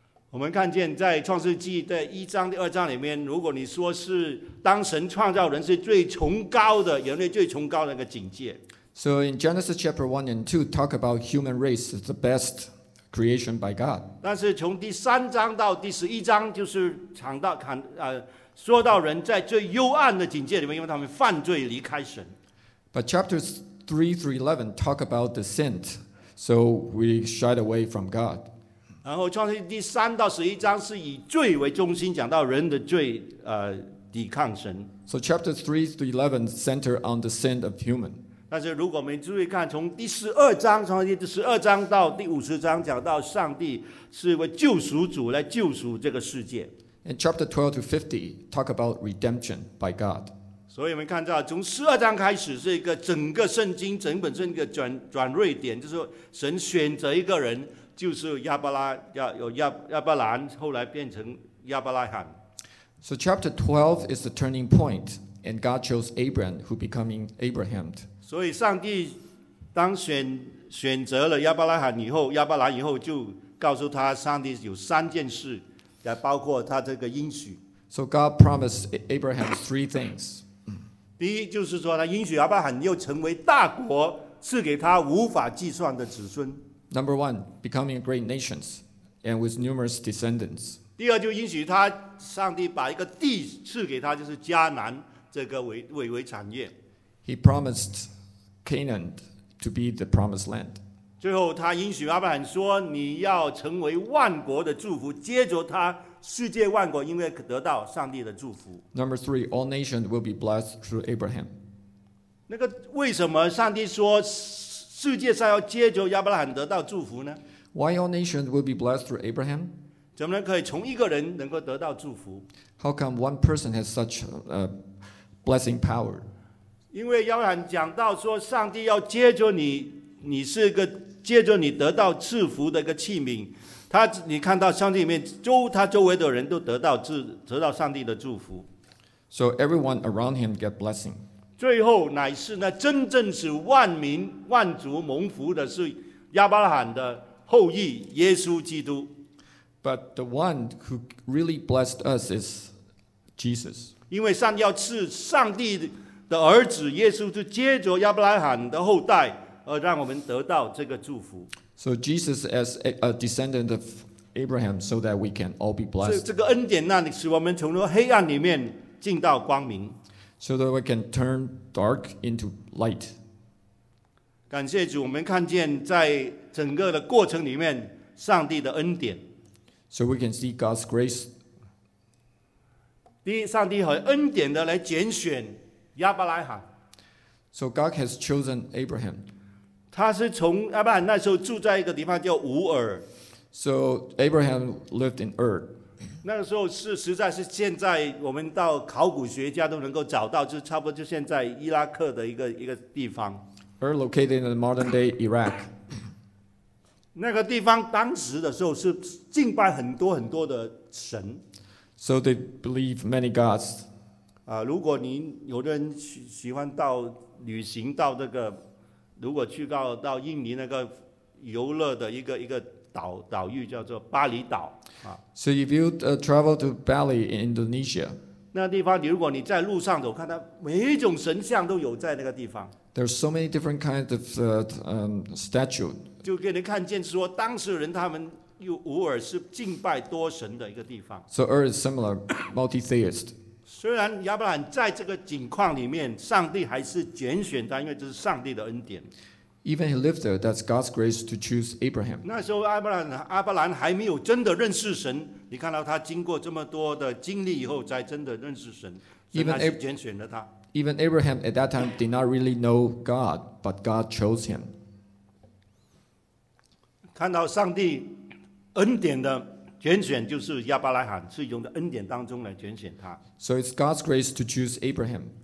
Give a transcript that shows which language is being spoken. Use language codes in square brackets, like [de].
[zh] 我们看见在创世纪的一章、第二章里面，如果你说是当神创造人是最崇高的，人类最崇高的那个境界。 [en] So in Genesis chapter 1 and 2, talk about human race is the best creation by God. [zh] 但是从第三章到第十一章就是讲到说到人在最幽暗的境界里面，因为他们犯罪离开神。 [en] But chapters 3 through 11 talk about the sin, so we shied away from God. [zh] 然后创世纪第三到十一章是以罪为中心，讲到人的罪抵抗神。 [en] So chapters 3 through 11 center on the sin of human. [zh] 但是如果我们注意看，从第十二章，从第十二章到第五十章，讲到上帝是为救赎主来救赎这个世界。 [en] And chapter 12 to 50 talk about redemption by God. [zh] 所以我们看到，从十二章开始是一个整个圣经整本是一个转捩点，就是神选择一个人，就是亚伯兰，后来变成亚伯拉罕。 [en] So chapter 12 is the turning point, and God chose Abraham, who becoming Abraham. [zh] 所以上帝当选择了亚伯拉罕以后，亚伯拉罕以后就告诉他，上帝有三件事，也包括他这个应许。 [en] So God promised Abraham three things. [zh] 第一就是说，他应许亚伯拉罕又成为大国，赐给他无法计算的子孙。 [en] Number one, becoming a great nation and with numerous descendants. [zh] 第二就应许他，上帝把一个地赐给他，就是迦南这个伟产业。 [en] He promised Canaan to be the promised land. [zh] 最后他应许亚伯兰说，你要成为万国的祝福，接着他世界万国因为得到上帝的祝福。 [en] Number three, all nations will be blessed through Abraham. [zh] 那个为什么上帝说世界上要借着亚伯拉罕得到祝福呢？ [en] Why all nations will be blessed through Abraham? [zh] 怎么能可以从一个人能够得到祝福？ [en] How come one person has such a blessing power? [zh] 因为亚伯拉罕讲到说，上帝要借着你，你是个借着你得到赐福的一个器皿。他，你看到上帝里面，他周围的人都得到上帝的祝福。 [en] So everyone around him get blessing. [zh] 最后乃是那真正是万民万族蒙福的是亚伯拉罕的后裔耶稣基督。 [en] But the one who really blessed us is Jesus. [zh] 因为上帝要赐上帝的儿子耶稣，就接着亚伯拉罕的后代而让我们得到这个祝福。 [en] So Jesus as a descendant of Abraham, so that we can all be blessed. [zh] 这个恩典那里使我们从黑暗里面进到光明。 [en] So that we can turn dark into light. [zh] 感谢主，我们看见在整个的过程里面上帝的恩典。 [en] So we can see God's grace. [zh] 第一，上帝很恩典的来拣选亚伯拉罕。 [en] So God has chosen Abraham. [zh] 他是从亚伯拉罕那时候住在一个地方叫乌尔。 [en] So Abraham lived in Ur. [zh] 那个时候是实在是现在我们到考古学家都能够找到，就差不多就现在伊拉克的一个地方。 [en] Ur located in the modern day Iraq. [zh] 那个地方当时的时候是敬拜很多很多的神。 [en] So they believe many gods. [zh] 如果您有的人喜欢到旅行到这个。如果去到印尼那个游乐的一个岛屿叫做巴厘岛、啊、 [en] So if you travel to Bali in Indonesia, [zh] 那地方如果你在路上走，看到每一种神像都有在那个地方。 [en] There's so many different kinds of statue. [zh] 就给你看见说，当时人他们又偶尔是敬拜多神的一个地方。 [en] So Ur is similar, multi-theist. [zh] 虽然亚伯兰在这个境况里面，上帝还是拣选他，因为这是上帝的恩典。 [en] Even he lived there, that's God's grace to choose Abraham. [zh] 那时候亚伯兰还没有真的认识神，你看到他经过这么多的经历以后，才真的认识神，神还是拣选了他。 [en] Even Abraham at that time did not really know God, but God chose him. [zh] 看到上帝恩典的拣选就是亚伯拉罕，是用的恩典当中来拣选他。 [en] So it's God's grace to choose Abraham.